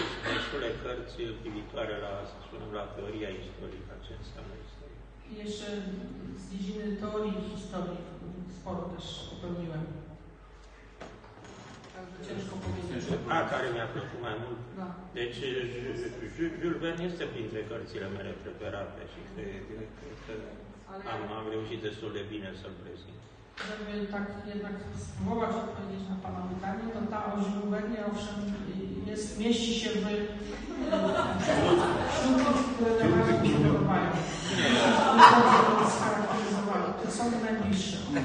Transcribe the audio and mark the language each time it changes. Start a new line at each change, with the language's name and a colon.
Romanian: Destule cărți privitoare la, să spunem, la teoria istorică, ce înseamnă istorie.
Polish: Jeszcze z dziedziny teorii historii sporo też popełniłem. Ciężko powiedzieć.
Romanian: A, care mi-a plăcut mai mult. Da. Deci, Jules Verne este printre cărțile mele preferate și cred că am reușit destul de bine să-l prezint.
Polish: Ale żeby tak jednak spróbować odpowiedzieć na pana pytanie, to ta oś Równowagi owszem jest, mieści się w śródkach, które na razie przygotowują. To są najbliższe.